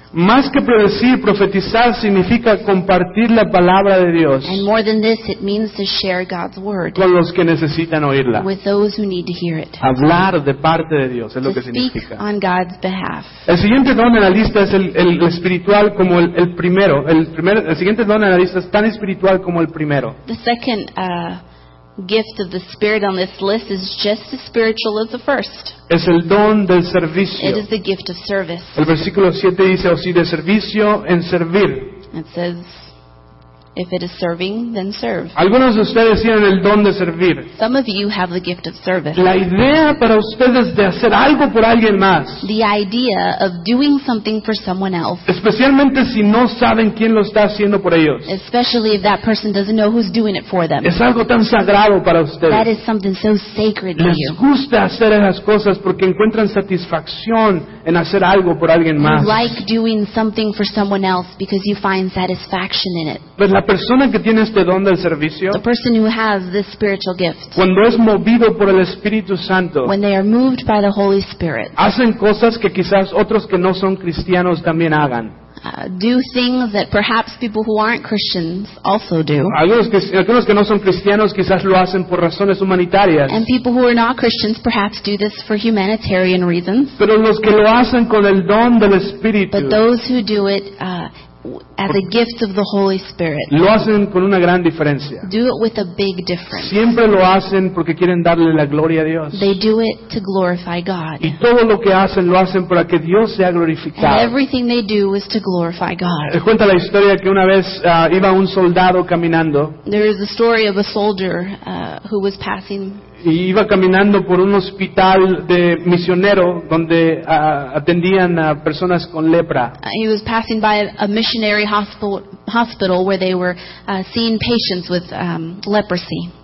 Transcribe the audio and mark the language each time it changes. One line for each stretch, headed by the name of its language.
Spanish: Más que predecir, profetizar significa compartir la palabra de Dios.
English: And more than this, it means to share God's word.
Spanish: Con los que necesitan oírla.
English: With those who need to hear it.
Spanish: Hablar de parte de Dios es
English: to
Spanish: lo que significa.
English: Speak on God's behalf.
Spanish: El siguiente don en la lista es el espiritual como el primero. El siguiente don en la lista es tan espiritual como el primero.
English: The second gift of the Spirit on this list is just as spiritual as the first.
Spanish: Es el don del servicio.
English: It is the gift of service.
Spanish: El versículo 7 dice, o si de servicio en servir.
English: It says, if it is serving, then serve.
Spanish: Algunos de ustedes tienen el don de servir.
English: Some of you have the gift of service.
Spanish: La idea para ustedes de hacer algo por alguien más.
English: The idea of doing something for someone else.
Spanish: Especialmente si no saben quién lo está haciendo por ellos.
English: Especially if that person doesn't know who's doing it for them.
Spanish: Es algo tan sagrado para ustedes.
English: That is something so sacred to you.
Spanish: Les gusta hacer esas cosas porque encuentran satisfacción en hacer algo por alguien más.
English: You like doing something for someone else because you find satisfaction in it. But
Spanish: la persona que tiene este don del servicio,
English: the person who has this spiritual gift,
Spanish: cuando es movido por el Espíritu Santo,
English: when they are moved by the Holy Spirit,
Spanish: hacen cosas que quizás otros que no son cristianos también hagan.
English: Do things that perhaps people who aren't Christians also do.
Spanish: Algunos que no son cristianos quizás lo hacen por razones humanitarias.
English: And people who are not Christians perhaps do this for humanitarian reasons.
Spanish: Pero los que lo hacen con el don del Espíritu,
English: but those who do it as a gift of the Holy Spirit.
Spanish: Lo hacen con una gran diferencia.
English: Do it with a big difference.
Spanish: Siempre lo hacen porque quieren darle la gloria a Dios.
English: They do it to glorify God.
Spanish: Y todo lo que hacen lo hacen para que Dios sea glorificado.
English: And everything they do is to glorify God.
Spanish: Se cuenta la historia que una vez iba un soldado caminando.
English: There is a story of a soldier who was passing.
Spanish: Y iba caminando por un hospital de misionero donde atendían a personas con lepra.
English: He was passing by a missionary hospital where they were seeing patients with leprosy.